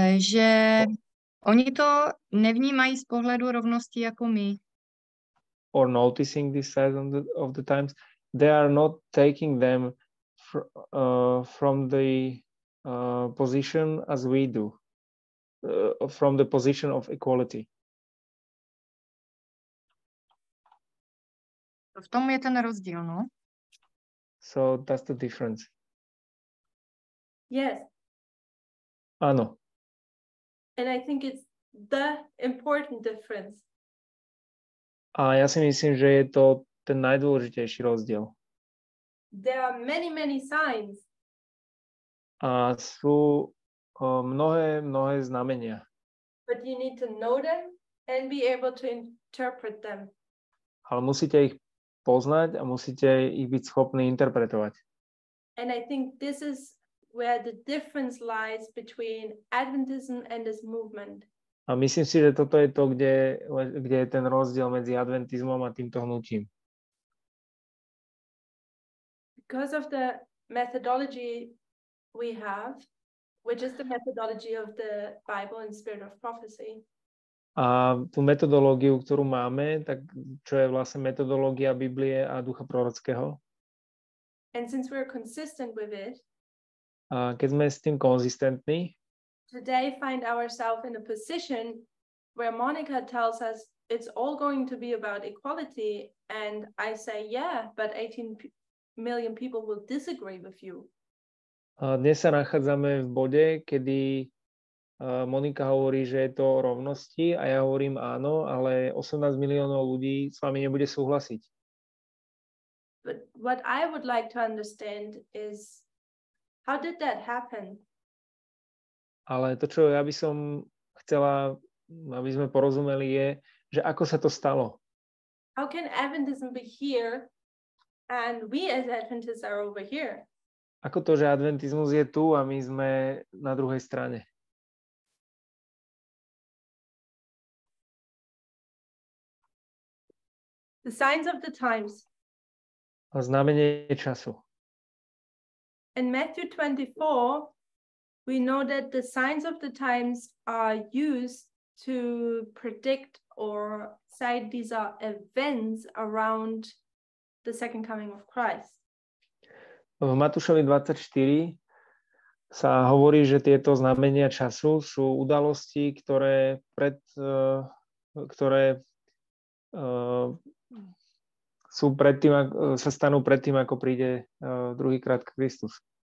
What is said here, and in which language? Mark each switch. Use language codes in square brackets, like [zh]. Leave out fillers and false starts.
[cs] že oni to nevnímají z pohledu rovnosti jako my, [en] or noticing these signs of the times, they are not taking them from the position as we do, from the position of equality. [cs] V tom je ten rozdíl, no? [en] So that's the difference. Yes. [cs] Ano. [en] And I think it's the important difference. [sk] A ja si myslím, že je to ten najdôležitejší rozdiel. [en] There are many, many signs. [sk] A sú mnohé, mnohé znamenia. [en] But you need to know them and be able to interpret them. [sk] Ale musíte ich poznať a musíte ich byť schopní interpretovať. [en] And I think this is where the difference lies between Adventism and this movement. [sk] A myslím si, že toto je to, kde je ten rozdiel medzi Adventizmom a týmto hnutím. [en] Because of the methodology we have, which is the methodology of the Bible and Spirit of Prophecy. [sk] A tú metodológiu, ktorú máme, tak čo je vlastne metodológia Biblie a Ducha prorockého. [en] And since we're consistent with it, [sk] a keď sme s tým konzistentní, [en] today find ourselves in a position where Monica tells us it's all going to be about equality, and I say, yeah, but 18 million people will disagree with you. [sk] Dnes sa nachádzame v bode, kedy Monika hovorí, že je to o rovnosti a ja hovorím áno, ale 18 miliónov ľudí s vami nebude súhlasiť. [en] But what I would like to understand is how did that happen? [sk] Ale to, čo ja by som chcela, aby sme porozumeli, je, že ako sa to stalo? [en] How can Adventism be here? And we as Adventists are over here. [sk] Ako to, že adventizmus je tu a my sme na druhej strane? [en] The signs of the times. [sk] A znamenie času. [en] In Matthew 24, We know that the signs of the times are used to predict or cite these are events around the second coming of Christ. [sk] V Matúšovi 24 sa hovorí, že tieto znamenia času sú udalosti, ktoré sa stanú predtým, ako príde druhýkrát Kristus.